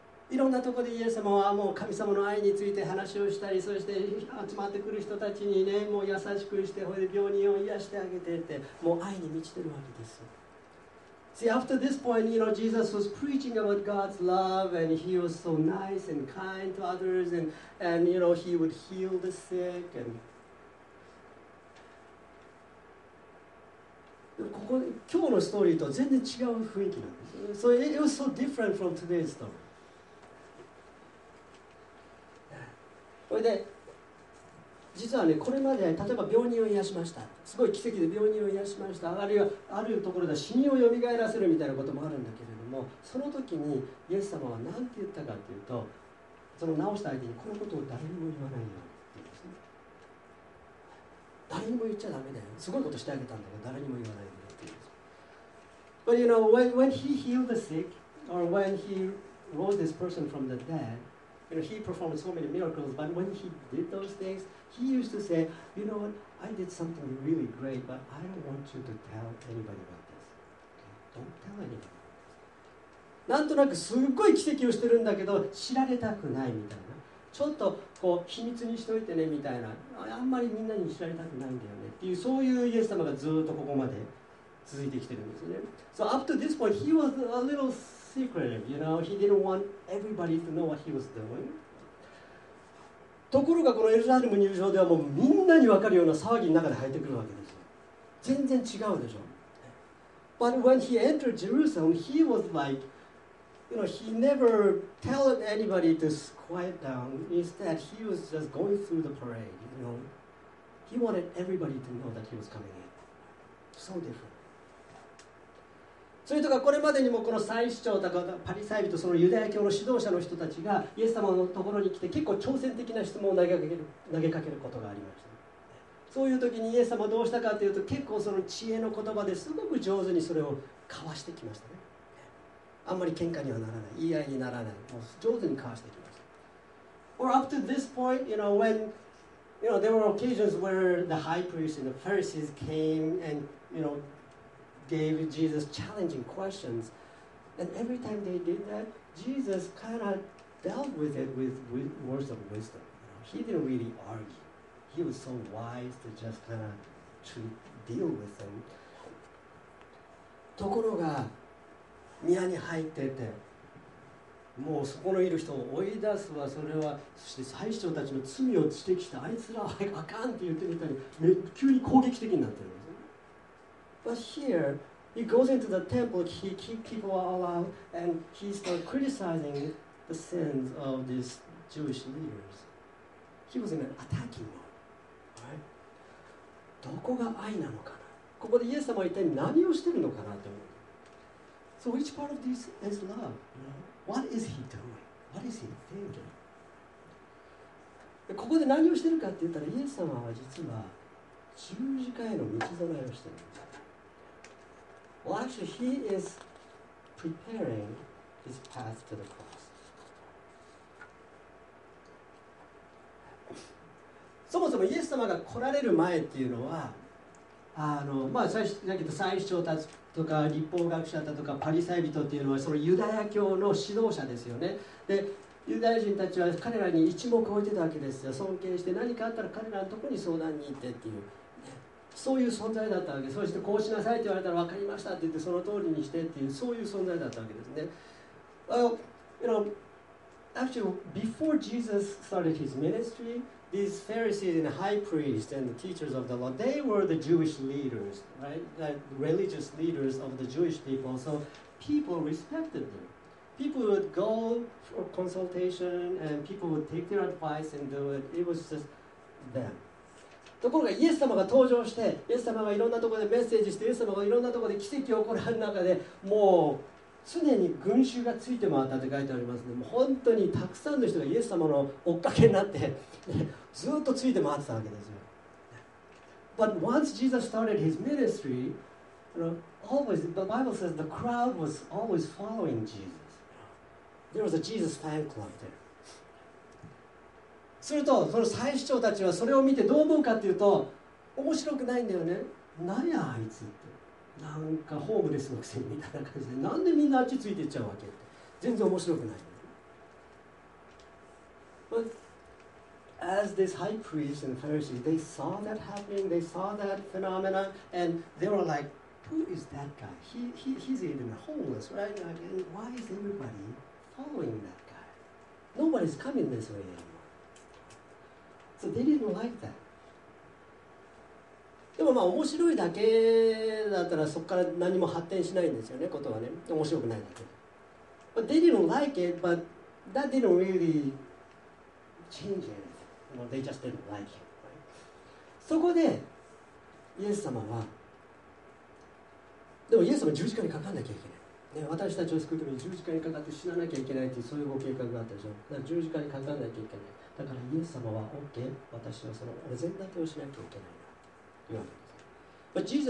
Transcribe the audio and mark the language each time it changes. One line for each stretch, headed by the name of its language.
Japanese: いろんなところでイエス様はもう神様の愛について話をしたり、そして集まってくる人たちにね、もう優しくして、病人を癒してあげてって、もう愛に満ちてるわけです。
English: See, after this point, you know, Jesus was preaching about God's love and he was so nice and kind to others and you know, he would heal the sick. And...
Japanese: ここ今日のストーリーと全然違う雰囲気なんです。
English: So it was so different from today's story.
Japanese: それで、実はね、これまで例えば病人を癒しました。すごい奇跡で病人を癒しました。あるいはあるところで死人を蘇らせるみたいなこともあるんだけれども、その時にイエス様は何て言ったかというと、その治した相手にこのことを誰にも言わないよって言うんですね。誰にも言っちゃダメだよ。すごいことしてあげたんだけど、誰にも言わないよって言うんです。
English: But you know, when he healed the sick, or when he rose this person from the dead,You know, he performed so many miracles, but when he did those things, he used to say, you know what, I did something really great, but I don't want you to tell anybody about this. Okay? Don't tell anybody.
Japanese: なんとなくすっごい奇跡をしてるんだけど、知られたくないみたいな。ちょっとこう秘密にしといてねみたいな。あんまりみんなに知られたくないんだよねっていう、そういうイエス様がずっとここまで続いてきてるんですよね。
English: So up to this point, he was a little... Secretive, you know, he didn't want everybody to know what he was doing.
Japanese: ところがこのエルサレム入場ではもうみんなに分かるような騒ぎの中で入ってくるわけですよ。全然違うでしょ。
English: But when he entered Jerusalem, he was like, you know, he never told anybody to quiet down. Instead, he was just going through the parade, you know. He wanted everybody to know that he was coming in. So different.
Japanese: それとかこれまでにもこの祭司長とかパリサイ人そのユダヤ教の指導者の人たちがイエス様のところに来て結構挑戦的な質問を投げかけることがありましたそういう時にイエス様どうしたかというと結構その知恵の言葉ですごく上手にそれを交わしてきましたねあんまり喧嘩にはならない言い合いにならないもう上手に交わしてきました
English: Or up to this point, you know, when you know, there were occasions where the high priest and the Pharisees came and, you know,gave Jesus challenging questions. And every time they did that, Jesus kind of dealt with it with words of wisdom. You know, he didn't really argue. He was so wise to just kind of to deal with them.
Japanese: ところが、宮に入ってて、もうそこのいる人を追い出すわ、それは、そして祭司長たちの罪を指摘して、あいつらはあかんって言ってみたり、急に攻撃的になってる。
English: But here, he goes into the temple, he kicks people all out, and he starts criticizing the sins of these Jewish leaders. He was in an attacking mode, right?
Japanese: どこが愛なのかな? ここでイエス様は一体何をしてるのかなって思う。
English: So which part of this is love? What is he doing? What is he thinking?
Japanese: ここで何をしてるかって言ったら、イエス様は実は十字架への道備えをしてるんです。
English: Well, actually, he is preparing his path to the cross.
Japanese: そもそもイエス様が来られる前っていうのは、まあ、祭司長たちとか律法学者だとかパリサイ人っていうのはそのユダヤ教の指導者ですよね。で、ユダヤ人たちは彼らに一目置いてたわけですよ。尊敬して何かあったら彼らのところに相談に行ってっていう。そういう存在だったわけです。そしてこうしなさいと言われたら分かりましたって言ってその通りにしてっていうそういう存在だったわけですね。
English: Well, you know, actually, before Jesus started his ministry, these Pharisees and high priests and the teachers of the law, they were the Jewish leaders, right? The religious leaders of the Jewish people. So people respected them. People would go for consultation and people would take their advice and do it. It was just them.
Japanese: ところがイエス様が登場して、イエス様がいろんなところでメッセージして、イエス様がいろんなところで奇跡を行う中で、もう常に群衆がついて回ったって書いてありますね。もう本当にたくさんの人がイエス様の追っかけになって、ずっとついて回ってたわけですよ。
English: But once Jesus started his ministry, you know, always, the Bible says the crowd was always following Jesus. There was a Jesus fan club there.
Japanese: すると、その祭司長たちはそれを見てどう思うかっていうと、面白くないんだよね。なんやあいつって。なんかホームレスのくせにみたいな感じで、なんでみんなあっちついていっちゃうわけって。全然面白くない。
English: But as this high priest and Pharisee, they saw that happening, they saw that phenomena, and they were like, who is that guy? He's even homeless, right? And why is everybody following that guy? Nobody's coming this way anymore. So、they didn't like that.
Japanese: でもまあ面白いだけだったらそこから何も発展しないんですよね、ことはね。面白くないだけ。
English: But they didn't like it, but that didn't really change anything. They just didn't like it.、Right?
Japanese: そこで、イエス様は、でもイエス様は十字架にかかんなきゃいけない。ね、私たちを救うために十字架にかかって死ななきゃいけないというそういうご計画があったでしょ。だから十字架にかかんなきゃいけない。だからイエス様は OK、私はそのお膳立てをしなきゃいけないなというわけです。